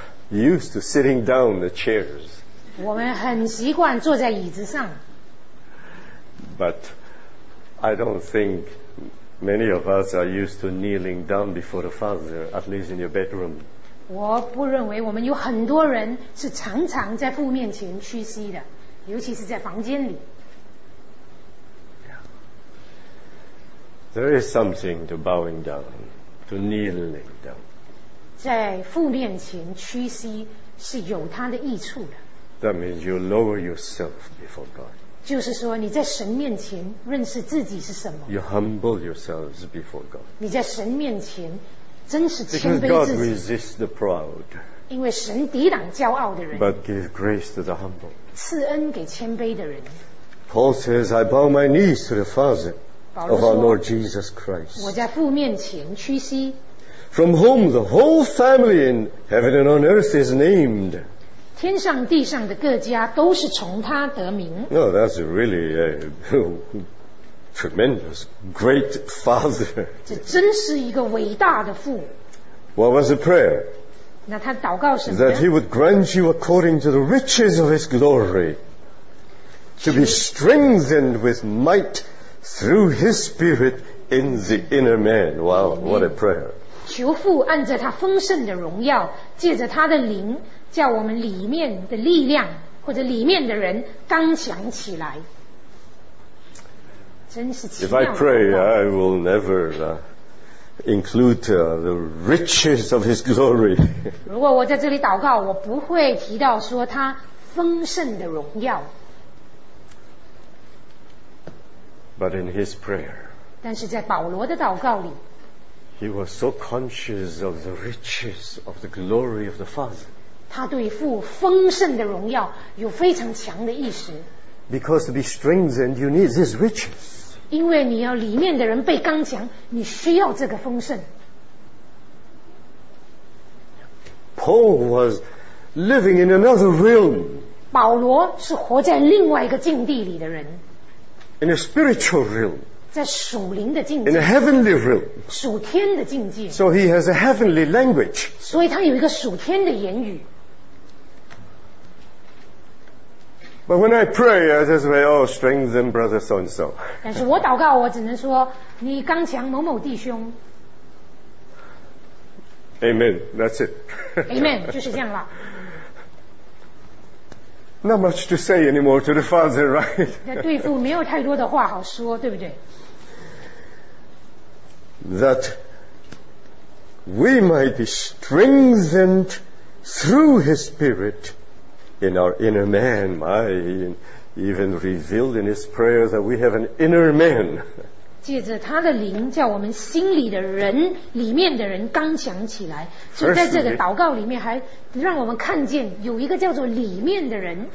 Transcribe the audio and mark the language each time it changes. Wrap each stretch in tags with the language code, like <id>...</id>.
<en>Used to sitting down the chairs.</en> <zh>我们很习惯坐在椅子上。</zh> <en>But I don't think many of us are used to kneeling down before the Father, at least in your bedroom.</en> <zh>我不认为我们有很多人是常常在父面前屈膝的，尤其是在房间里。</zh> <en>There is something to bowing down. To kneeling down.</en> <zh>在父面前屈膝是有它的益处的。</zh> <en>That means you lower yourself before God.</en> <zh>就是说你在神面前认识自己是什么。</zh> <en>You humble yourselves before God.</en> <zh>你在神面前真是谦卑自己。</zh> <en>Because God resists the proud.</en> <zh>因为神抵挡骄傲的人。</zh> <en>But gives grace to the humble.</en> <zh>赐恩给谦卑的人。</zh> <en>Paul says, I bow my knees to the Father. Of our Lord Jesus Christ.</en> <zh>我在父面前屈膝。</zh> <en>From whom the whole family in heaven and on earth is named.</en> <zh>天上地上的各家都是从他得名。</zh> <en>No, that's really a tremendous great father.</en> <zh>这真是一个伟大的父。</zh> <en>What was the prayer?</en> <zh>那他祷告什么呢？</zh> <en>That he would grant you according to the riches of his glory to be strengthened with might through his spirit in the inner man. Wow, what a prayer.</en> <zh>求父按着他丰盛的荣耀，借着他的灵，叫我们里面的力量，或者里面的人刚强起来。真是奇妙。</zh> <en>If I pray, I will never include the riches of his glory.</en> <zh>如果我在这里祷告，我不会提到说他丰盛的荣耀。</zh> <en>But in his prayer,</en> <zh>但是在保罗的祷告里，</zh> <en>he was so conscious of the riches of the glory of the Father.</en> <zh>他对父丰盛的荣耀有非常强的意识。</zh> <en>Because to be strengthened, you need these riches.</en> <zh>因为你要里面的人被刚强，你需要这个丰盛。</zh> <en>Paul was living in another realm.</en> <zh>保罗是活在另外一个境地里的人。</zh> <en>In a spiritual realm,</en> <zh>在属灵的境界。</zh> <en>In a heavenly realm,</en> <zh>属天的境界。</zh> <en>So he has a heavenly language.</en> <zh>所以他有一个属天的言语。</zh> <en>But when I pray, I just say, "Oh, strengthen brother so and so."</en> <zh>但是我祷告，我只能说你刚强某某弟兄。</zh> <en>Amen. That's it.</en> <zh>Amen. 就是这样了。</zh> <en>Not much to say anymore to the father, right?</en> <zh>对父没有太多的话好说，对不对？</zh> <en>That we might be strengthened through his spirit in our inner man. My, even revealed in his prayer that we have an inner man.</en> <zh>借着他的灵，叫我们心里的人，里面的人刚强起来。所以在这个祷告里面，还让我们看见有一个叫做里面的人。</zh>